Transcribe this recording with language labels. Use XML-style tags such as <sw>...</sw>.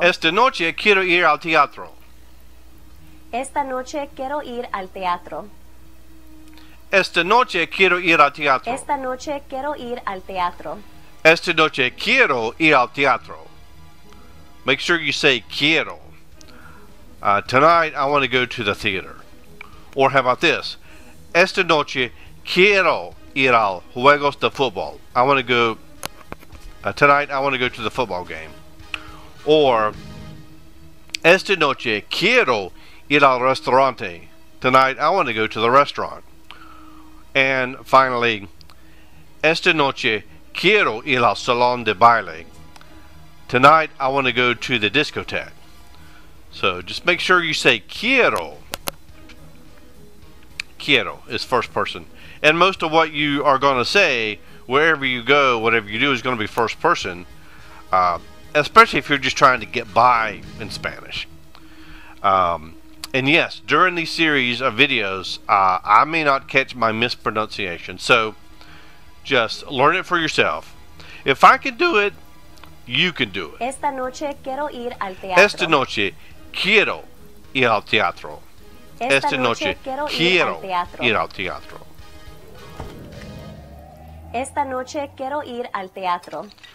<es>Esta noche quiero ir al teatro. Esta noche quiero ir al teatro. Esta noche quiero ir al teatro. Esta noche quiero ir al teatro. Esta noche quiero ir al teatro.</es> <en>Make sure you say quiero. Tonight I want to go to the theater. Or how about this?</en> <es>Esta noche quiero ir al juegos de fútbol.</es> <en>I want to go. Tonight I want to go to the football game.</en> <es>Or esta noche quiero ir al restaurante.</es> <en>Tonight I want to go to the restaurant. And finally,</en> <es>esta noche quiero ir al salón de baile.</es> <en>Tonight I want to go to the discotheque. So just make sure you say quiero. Quiero is first person. And most of what you are going to say, wherever you go, whatever you do, is going to be first person. Especially if you're just trying to get by in Spanish. And yes, during these series of videos, I may not catch my mispronunciation. So just learn it for yourself. If I can do it, you can do it.</en> <es>Esta noche quiero ir al teatro. Esta noche quiero ir al teatro. Esta noche quiero ir al teatro. Esta noche quiero ir al teatro.</es>